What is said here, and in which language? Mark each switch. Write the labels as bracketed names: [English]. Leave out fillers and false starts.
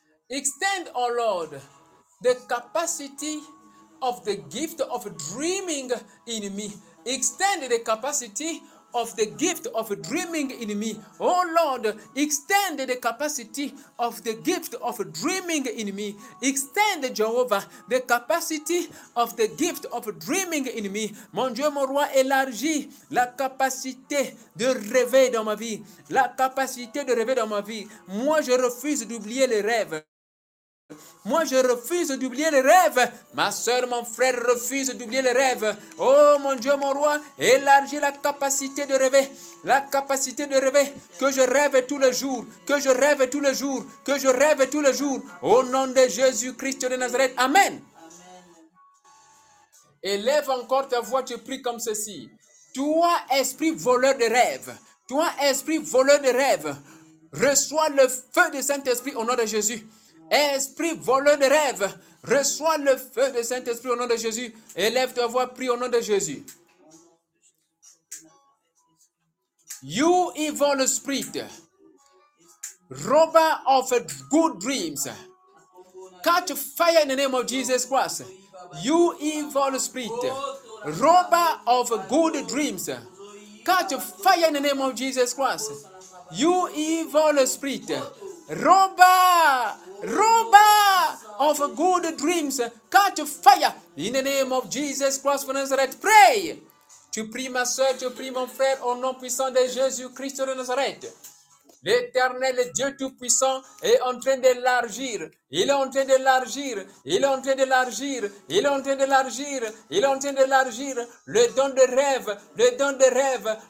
[English] Extend, oh Lord, the capacity of the gift of dreaming in me. Extend the capacity of the gift of dreaming in me. Oh Lord, extend the capacity of the gift of dreaming in me. Extend, Jehovah, the capacity of the gift of dreaming in me. [French] Mon Dieu, mon roi, élargis la capacité de rêver dans ma vie. La capacité de rêver dans ma vie. Moi, je refuse d'oublier les rêves. Moi, je refuse d'oublier les rêves. Ma soeur, mon frère, refuse d'oublier les rêves. Oh, mon Dieu, mon roi, élargis la capacité de rêver. La capacité de rêver. Que je rêve tous les jours. Que je rêve tous les jours. Que je rêve tous les jours. Au nom de Jésus-Christ de Nazareth. Amen. Amen. Élève encore ta voix, tu pries comme ceci. Toi, esprit voleur de rêves. Toi, esprit voleur de rêves. Reçois le feu du Saint-Esprit au nom de Jésus. Esprit voleur de rêves, reçois le feu du Saint-Esprit au nom de Jésus. Élève ta voix, prie au nom de Jésus. [English] You evil spirit, robber of good dreams, catch fire in the name of Jesus Christ. You evil spirit, robber of good dreams, catch fire in the name of Jesus Christ. You evil spirit, robber of good dreams, catch fire in the name of Jesus Christ of Nazareth. Pray. [French] Tu pries, ma soeur, tu pries, mon frère, au nom puissant de Jésus Christ de Nazareth. L'Éternel Dieu Tout-Puissant est en train d'élargir. Il est en train d'élargir. Il est en train d'élargir. Il est en train d'élargir. Il est en train d'élargir. Le don de rêve. Le don de rêve.